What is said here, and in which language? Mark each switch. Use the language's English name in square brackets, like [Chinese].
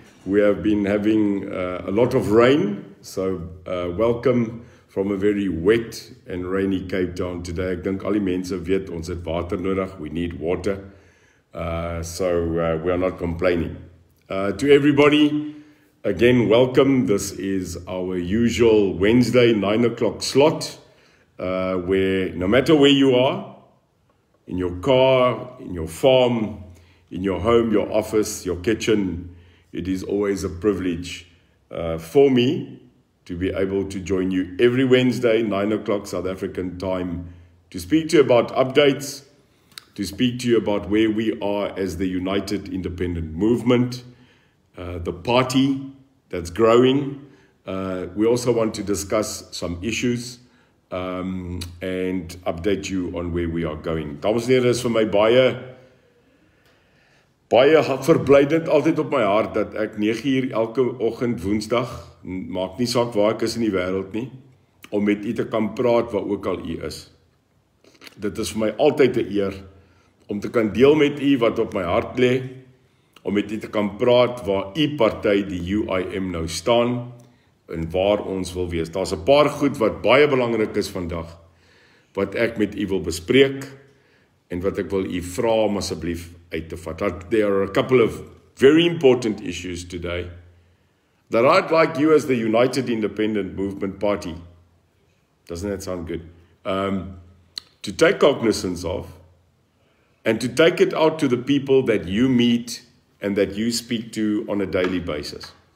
[English] We have been having a lot of rain. So, welcome from a very wet and rainy Cape Town today. [Afrikaans] Ek dink al die mense weet, ons het water nodig. [English] We need water. We are not complaining. To everybody, again, welcome. This is our usual Wednesday 9 o'clock slot, where no matter where you are, in your car, in your farm, in your home, your office, your kitchen, it is always a privilege for me to be able to join you every Wednesday 9 o'clock South African time to speak to you about updates, to speak to you about where we are as the United Independent Movement. The party that's growing. We also want to discuss some issues and update you on where we are going. [Afrikaans] Dames en here, is vir my baie verblydend altyd op my hart dat ek 9 uur elke oggend woensdag, maak nie saak waar ek is in die wêreld nie, om met u te kan praat wat ook al u is. Dit is vir my altyd 'n eer om te kan deel met u wat op my hart lê, om met u te kan praat waar u party die UIM nou staan en waar ons wil wees. Daar's 'n paar goed wat baie belangrik is vandag wat ek met u wil bespreek en wat ek wil u vra om asseblief uit te vat. [English] There are a couple of very important issues today that I'd like you as the United Independent Movement Party, doesn't that sound good, to take cognizance of and to take it out to the people that you meet and that you speak to on a daily basis.